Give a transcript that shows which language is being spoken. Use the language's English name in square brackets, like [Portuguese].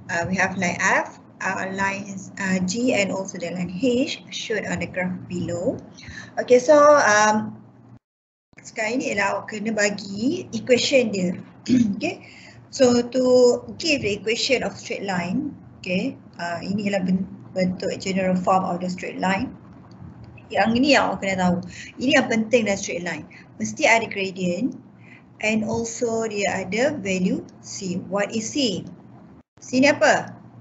[English] We have line F, our lines G and also the line H shown on the graph below. [Malay] Okey, so sekarang ini ialah awak kena bagi equation dia. Okey. [English] So to give the equation of straight line, okey. [Malay] Ini ialah bentuk [English] general form of the straight line. [Malay] Yang ini yang awak kena tahu. Ini yang penting dalam straight line. Mesti ada gradient and also dia ada value C. [English] What is C? [Malay] C ni apa?